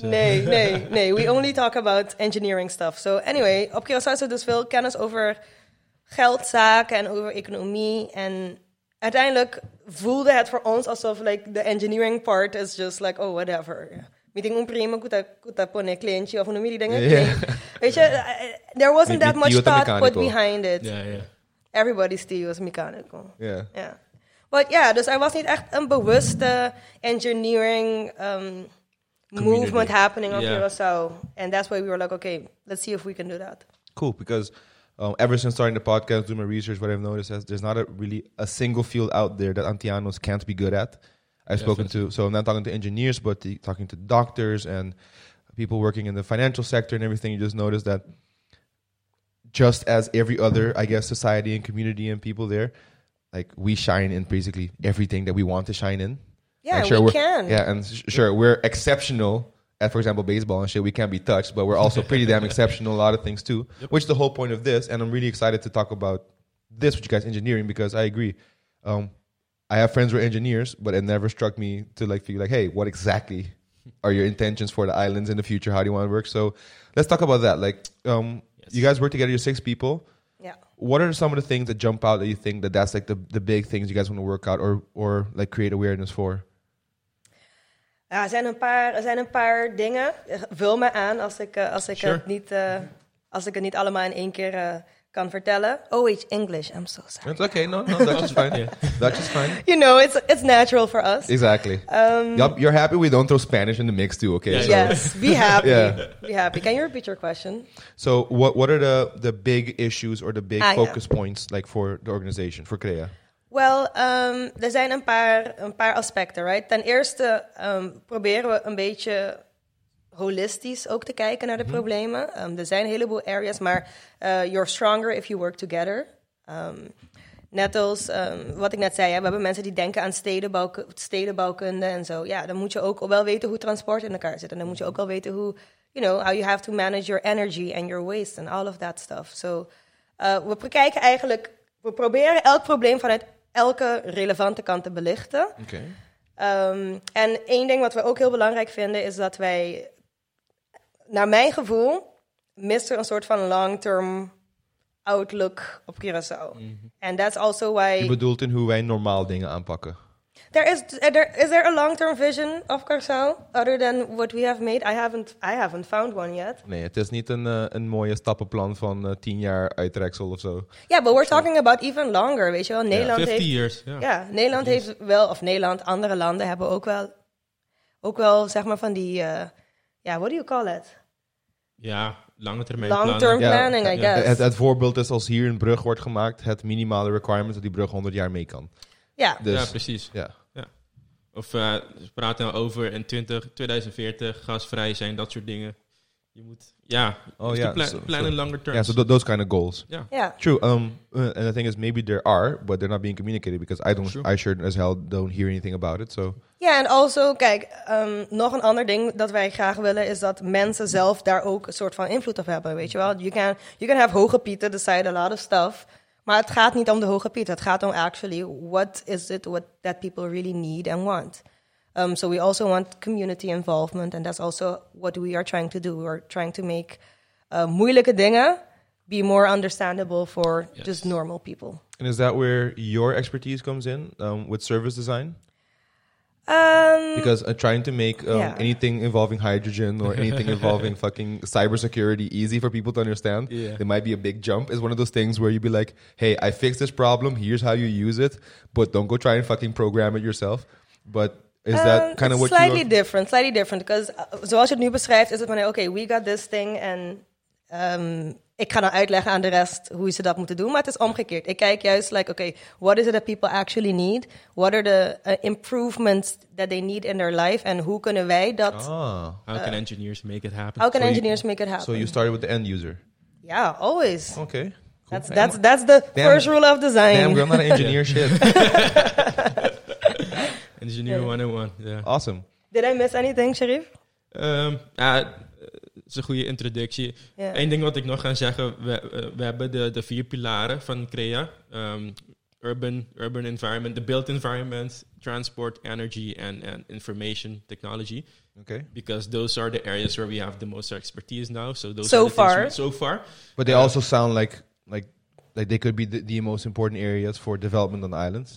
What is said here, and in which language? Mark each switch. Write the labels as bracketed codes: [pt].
[nl] Nee. [en] We only talk about engineering stuff. So anyway, [nl] op Curaçao is er dus veel kennis over geldzaken en over economie. En uiteindelijk voelde het voor ons alsof [en] like the engineering part is just like, whatever. [pap] meeting un primo kuta kuta pone clienti of unumili denga. Yeah. [en] There wasn't that much thought put behind it. Yeah. Everybody's tea was mechanical. Yeah. Yeah. But yeah, [nl] dus er was niet echt een bewuste engineering [en] movement happening of here or so. And that's why we were like, okay, let's see if we can do that. Cool, because ever since starting the podcast, doing my research, what I've noticed is there's not a single field out there that Antillanos can't be good at. I'm not talking to engineers, but talking to doctors and people working in the financial sector and everything, you just notice that just as every other, I guess, society and community and people there, like, we shine in basically everything that we want to shine in. Yeah, like, sure, we can. Yeah, and sure, we're exceptional at, for example, baseball and shit. We can't be touched, but we're also pretty damn exceptional a lot of things too, yep. Which is the whole point of this. And I'm really excited to talk about this with you guys, engineering, because I agree. I have friends who are engineers, but it never struck me to like feel like, hey, what exactly are your intentions for the islands in the future? How do you want to work? So let's talk about that. Like, yes. You guys work together, you're six people. What are some of the things that jump out that you think that's like the big things you guys want to work out or like create awareness for? [nl] Ja, er zijn een paar dingen. Vul me aan als ik het niet allemaal in één keer kan vertellen. [en] Oh, it's English. I'm so sorry. It's okay. No, Dutch is fine. Yeah. Dutch is fine. You know, it's natural for us. Exactly. You're happy we don't throw Spanish in the mix too, okay? Yeah, so. Yes, be happy. Yeah. Be happy. Can you repeat your question? So what are the big issues or the big focus points like for the organization, for CREA? [nl] Well, er zijn een paar aspecten, right? Ten eerste proberen we een beetje holistisch ook te kijken naar de problemen. Er zijn een heleboel areas, maar you're stronger if you work together. Net als wat ik net zei, hè, we hebben mensen die denken aan stedenbouwkunde en zo. Ja, dan moet je ook wel weten hoe transport in elkaar zit. En dan moet je ook wel weten hoe, you know, [en] how you have to manage your energy and your waste and all of that stuff. [nl] So, we proberen elk probleem vanuit elke relevante kant te belichten. [en] Okay. [nl] En één ding wat we ook heel belangrijk vinden is dat wij, naar mijn gevoel, mist er een soort van long-term outlook op Curaçao. [en] Mm-hmm. And that's also why. [nl] Je bedoelt in hoe wij normaal dingen aanpakken. [en] Is there a long-term vision of Curaçao other than what we have made? I haven't found one yet. [nl] Nee, het is niet een mooie stappenplan van 10 jaar uittreksel of zo. [en] Ja, yeah, but we're talking about even longer, [nl] weet je wel. Nederland 50 heeft, [en] years. [nl] Ja, yeah. Yeah, Nederland heeft wel, of Nederland, andere landen hebben ook wel, zeg maar, van die. [en] Ja, what do you call it? [nl] Ja, lange termijn [en] planning, I guess. [nl] Het voorbeeld is als hier een brug wordt gemaakt, het minimale requirement dat die brug 100 jaar mee kan. Ja, dus, ja precies. Ja. Ja. Of we praten over in 2040 gasvrij zijn, dat soort dingen. Je moet, ja, oh, dus ja [en] planning longer term. Ja, yeah, so those kind of goals. [nl] Ja. [en] Yeah. True. And the thing is, maybe there are, but they're not being communicated because I sure as hell don't hear anything about it, so. Ja, yeah, en also, [nl] kijk, nog een ander ding dat wij graag willen is dat mensen zelf daar ook een soort van invloed op hebben, weet je wel. [en] You can have [nl] hoge pieten, [en] decide a lot of stuff, [nl] maar het gaat niet om de hoge pieten. Het gaat om [en] actually, what is it what that people really need and want? So we also want community involvement, and that's also what we are trying to do. We are trying to make [nl] moeilijke dingen [en] be more understandable for just normal people. And is that where your expertise comes in with service design? Because trying to make anything involving hydrogen or anything involving fucking cybersecurity easy for people to understand, it might be a big jump. It's one of those things where you'd be like, hey, I fixed this problem, here's how you use it, but don't go try and fucking program it yourself. But is that kind of what slightly you different, slightly different. [nl] Because zoals je het nu beschrijft, is het van, okay, [en] we got this thing and [nl] ik ga dan uitleggen aan de rest hoe ze dat moeten doen. Maar het is omgekeerd. Ik kijk juist, [en] like, okay, what is it that people actually need? What are the improvements that they need in their life? [nl] And hoe kunnen wij dat? [en] How can engineers make it happen? How can engineers make it happen? So you started with the end user? Yeah, always. Okay. Cool. That's the first rule of design. Damn, girl, not an engineer shit. Engineer 101, yeah. Awesome. Did I miss anything, Sharif? [nl] Dat is een goede introductie. Yeah. Eén ding wat ik nog ga zeggen, we hebben de vier pilaren van CREA. [en] Urban environment, the built environment, transport, energy and information technology. Okay. Because those are the areas where we have the most expertise now. So far. So far. But they also sound like like they could be the most important areas for development on the islands.